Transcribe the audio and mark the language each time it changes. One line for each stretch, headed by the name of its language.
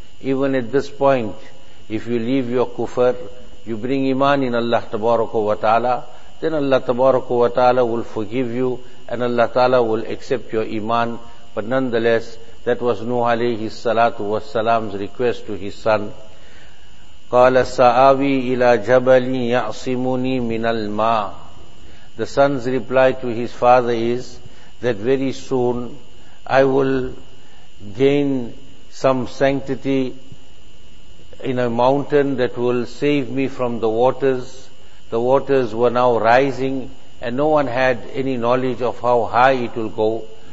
English: Even at this point, if you leave your kufr, you bring iman in Allah Tabaraka wa Ta'ala, then Allah Tabaraka wa Ta'ala will forgive you and Allah Ta'ala will accept your iman. But nonetheless, that was Nuh alayhi salatu was salam's request to his son.
Arabic: قال سآوي إلى جبل يعصمني من الماء.
English: The son's reply to his father is that very soon I will gain some sanctity in a mountain that will save me from the waters. The waters were now rising and no one had any knowledge of how high it will go.